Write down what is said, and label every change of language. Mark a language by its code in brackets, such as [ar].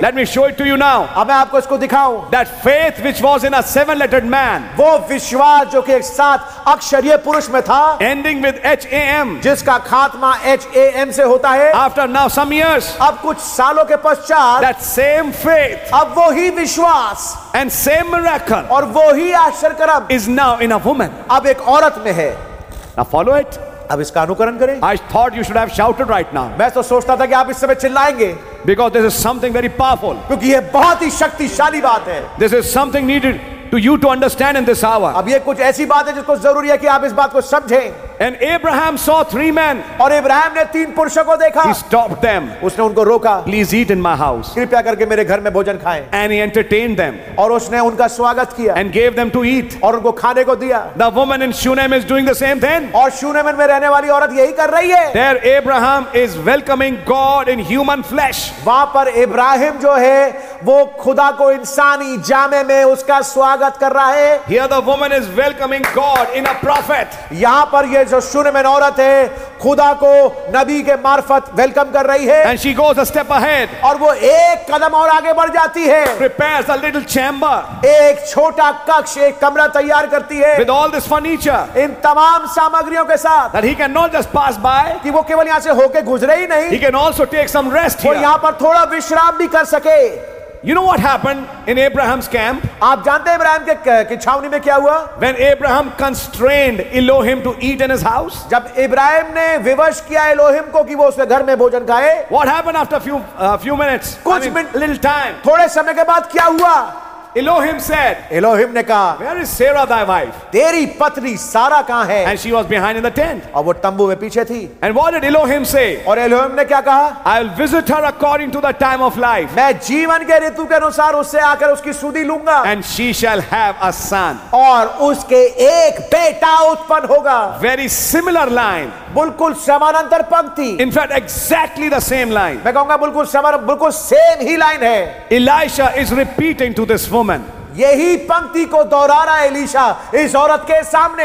[en] Let me show it to you now. [hi] अब मैं आपको इसको दिखाऊं. [en] That faith which was in a seven-lettered man. [hi] वो विश्वास जो कि एक सात अक्षरीय पुरुष में था. [en] Ending with H-A-M. [hi] जिसका खात्मा H-A-M से होता है. [en] After now some years. [hi] अब कुछ सालों के पश्चात. [en] That same faith. [hi] अब वो ही विश्वास. [en] And same miracle. [hi] और वो ही आश्चर्य कर्म. [en] Is now in a woman. [hi] अब एक औरत में है. [en] Now follow it. [hi] अब इसका अनुकरण करें. [en] I thought you should have shouted right now. [hi] मैं तो सोचता था कि आप इस समय चिल्लाएंगे. [en] Because this is something very powerful. [hi] क्योंकि ये बहुत ही शक्तिशाली बात है. [en] This is something needed to you to understand in this hour. [hi] अब ये कुछ ऐसी बात है जिसको जरूरी है कि आप इस बात को समझें. [en] And Abraham saw 3 men. [hi] और अब्राहम ने 3 पुरुषों को देखा. [en] He stopped them. [hi] उसने उनको रोका. [en] Please eat in my house. [hi] कृपया करके मेरे घर में भोजन खाएं. [en] And he entertained them. [hi] और उसने उनका स्वागत किया. [en] And gave them to eat. [hi] और उनको खाने को दिया. [en] The woman in Shunem is doing the same thing. [hi] और शूनेम में रहने वाली औरत यही कर रही है. [en] There Abraham is welcoming God in human flesh. [hi] वहां पर इब्राहिम जो है वो खुदा को इंसानी जामे में उसका स्वागत कर रहा है. [en] Here the woman is welcoming God in a prophet. [hi] यहाँ पर ये जो शूनेमैन औरत है खुदा को नबी के मार्फत वेलकम कर रही है. [en] And she goes a step ahead. [hi] और वो एक कदम और आगे बढ़ जाती है. [en] Prepares a little chamber. [hi] एक छोटा कक्ष एक कमरा तैयार करती है. [en] With all this furniture. [hi] इन तमाम सामग्रियों के साथ. [en] That he can not just pass by. [hi] कि वो केवल यहाँ से होके गुजरे ही नहीं. [en] He can also take some rest here. [hi] वो यहाँ पर थोड़ा विश्राम भी कर सके. [en] You know what happened in Abraham's camp? [hi] आप जानते हैं इब्राहिम के छावनी में क्या हुआ? [en] When Abraham constrained Elohim to eat in his house? [hi] जब इब्राहिम ने विवश किया Elohim को कि वो उसके घर में भोजन खाए? [en] What happened after few minutes? [hi] कुछ [en] little time. [hi] थोड़े समय के बाद क्या हुआ? [en] Elohim said. [hi] Elohim ने कहा. [en] Where is Sarah thy wife? [hi] तेरी पत्नी सारा कहाँ है? [en] And she was behind in the tent. [hi] और वो तंबू में पीछे थी. [en] And what did Elohim say? [hi] और Elohim ने क्या कहा? [en] I'll visit her according to the time of life. [hi] मैं जीवन के ऋतु के अनुसार उससे आकर उसकी सुदी लूंगा. [en] And she shall have a son. [hi] और उसके एक बेटा उत्पन्न होगा. [en] Very similar line. [hi] बिल्कुल समानांतर पंक्ति. [en] In fact, exactly the same line. [hi] मैं कहूँगा बिल्कुल सेम ही लाइन है. [en] Elisha is repeating to this woman. [hi] यही पंक्ति को दोहरा रहा है एलिशा इस औरत के सामने.